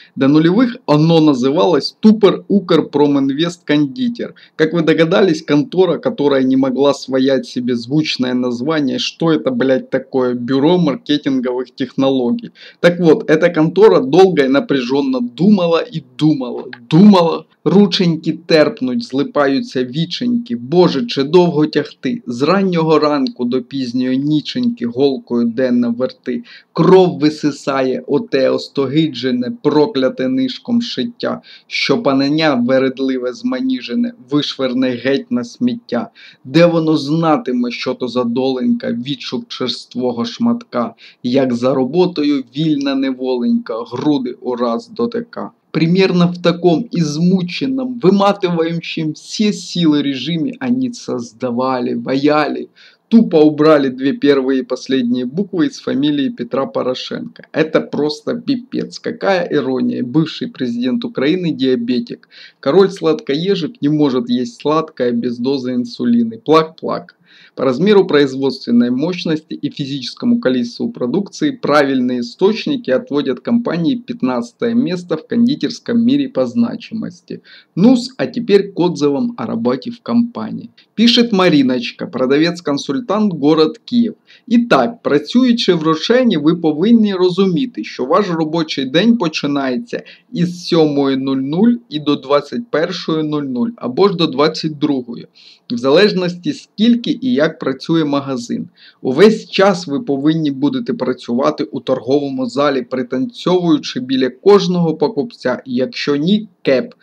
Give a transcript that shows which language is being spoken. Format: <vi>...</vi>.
<ru>До нулевых оно называлось «Тупор Укр Проминвест Кондитер». Как вы догадались, контора, которая не могла своять себе звучное название, что это, блять, такое, бюро маркетинговых технологий. Так вот, эта контора долго и напряженно думала и думала, думала.</ru> <uk>Рученьки терпнуть, злипаються віченьки, Боже, чи довго тягти, з раннього ранку до пізньої ніченьки голкою денно верти, кров висисає, оте остогиджене, прокляте нишком шиття, що панення вередливе зманіжене, вишверне геть на сміття, де воно знатиме, що то за доленька, відшук черствого шматка, як за роботою вільна неволенька, груди ураз дотика.</uk> <ru>Примерно в таком измученном, выматывающем все силы режиме они создавали, ваяли. Тупо убрали две первые и последние буквы из фамилии Петра Порошенко. Это просто пипец. Какая ирония. Бывший президент Украины диабетик. Король сладкоежек не может есть сладкое без дозы инсулина. Плак-плак. По размеру производственной мощности и физическому количеству продукции правильные источники отводят компании 15 место в кондитерском мире по значимости. Ну-с, а теперь к отзывам о работе в компании. Пишет Мариночка, продавец-консультант, город Киев. Итак,</ru> <uk>працюючи в Рошені, вы повинні розуміти, що ваш робочий день починається із 7.00 і до 21.00 або ж до 22.00, в залежності скільки і як працює магазин. Увесь час ви повинні будете працювати у торговому залі, пританцьовуючи біля кожного покупця, якщо ні – кеп.</uk>